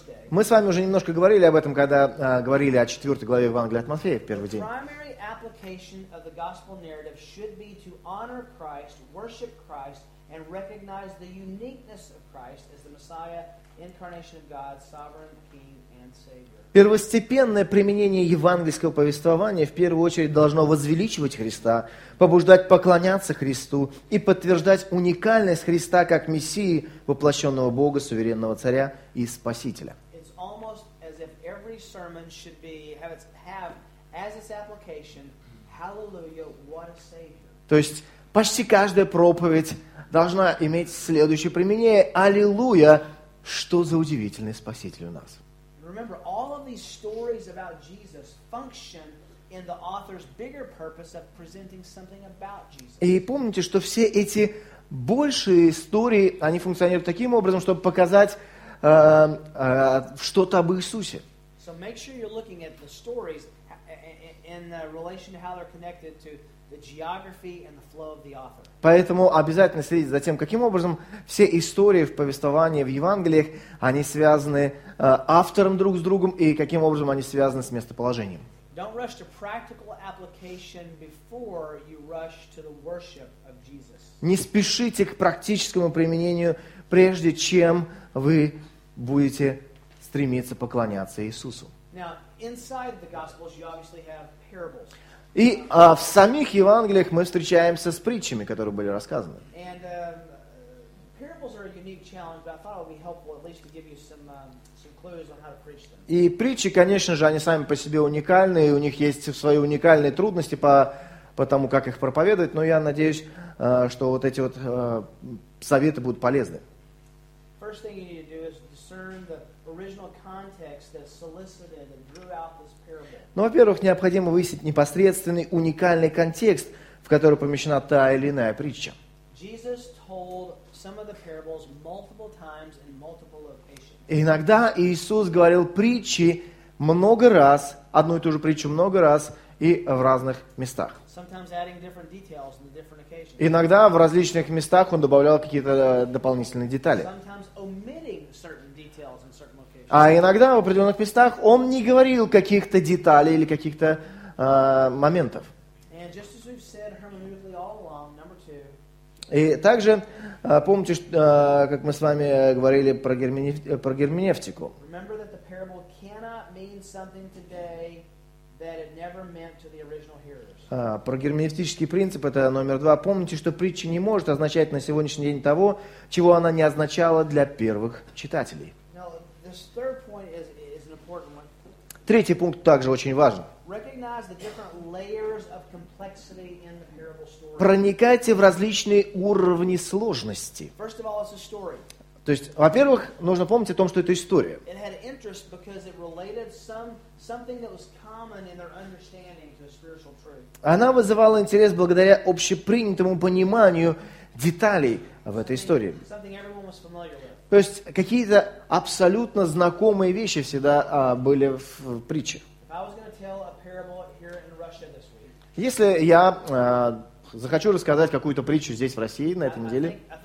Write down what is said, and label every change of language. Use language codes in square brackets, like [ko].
[ru] Мы с вами уже немножко говорили об этом, когда говорили о 4 главе Евангелия от Матфея в первый день. [en] Application of the gospel narrative should be to honor Christ, worship Christ, and recognize the uniqueness of Christ as the Messiah, incarnation of God, sovereign King and Savior. [ru] Первостепенное применение евангельского повествования в первую очередь должно возвеличивать Христа, побуждать поклоняться Христу и подтверждать уникальность Христа как Мессии, воплощенного Бога, суверенного Царя и Спасителя. [en] It's almost as if every sermon should be have as its application, hallelujah, what a savior. [ru] То есть почти каждая проповедь должна иметь следующее применение: аллилуйя, что за удивительный Спаситель у нас. [en] Remember, all of these stories about Jesus function in the author's bigger purpose of presenting something about Jesus. [ru] И помните, что все эти большие истории, они функционируют таким образом, чтобы показать что-то об Иисусе. [en] So make sure you're looking at the stories in relation to how they're connected to the geography and the flow of the author. [ru] Поэтому обязательно следите за тем, каким образом все истории в повествовании в Евангелиях, они связаны автором друг с другом и каким образом они связаны с местоположением. [en] Don't rush to practical application before you rush to the worship of Jesus. [ru] Не спешите к практическому применению, прежде чем вы будете стремиться поклоняться Иисусу. [en] Now, inside the Gospels, you obviously have parables. [ru] И в самих Евангелиях мы встречаемся с притчами, которые были рассказаны. [en] And parables are a unique challenge, but I thought it would be helpful at least to give you some clues on how to preach them. [ru] И притчи, конечно же, они сами по себе уникальны, и у них есть свои уникальные трудности по тому, как их проповедовать, но я надеюсь, что вот эти вот советы будут полезны. [en] First thing you need to do is discern the original context that solicited and drew out this parable. [ru] Ну, во-первых, необходимо выяснить непосредственный уникальный контекст, в который помещена та или иная притча. [en] Jesus told some of the parables multiple times in multiple locations. [ru] Иногда Иисус говорил притчи много раз, одну и ту же притчу много раз и в разных местах. [en] Sometimes adding different details in the different occasions. [ru] Иногда в различных местах он добавлял какие-то дополнительные детали. [en] Sometimes omitting certain details in certain locations. [ru] А иногда в определенных местах он не говорил каких-то деталей или каких-то моментов. [en] And just as we've said hermeneutically all along, number two. [ru] И также помните, что, как мы с вами говорили про герменевтику. [en] Remember that the parable cannot mean something today that it never meant to the original hearers. [ru] Про герменевтический принцип, это номер два. Помните, что притча не может означать на сегодняшний день того, чего она не означала для первых читателей. [en] Now, this third point is an important one. [ru] Третий пункт также очень важен. [en] Recognize the different layers of complexity in the parable story. [ru] Проникайте в различные уровни сложности. [en] First of all, it's a story. [ru] То есть, во-первых, нужно помнить о том, что это история. [en] It had interest because it related something that was common in their understanding to spiritual truth. [ru] Она вызывала интерес благодаря общепринятому пониманию деталей в этой истории. [en] Something everyone was familiar with. [ru] То есть, какие-то абсолютно знакомые вещи всегда были в притче. [en] If I was going to tell a parable here in Russia this week. [ru] Если я захочу рассказать какую-то притчу здесь, в России, на этой неделе.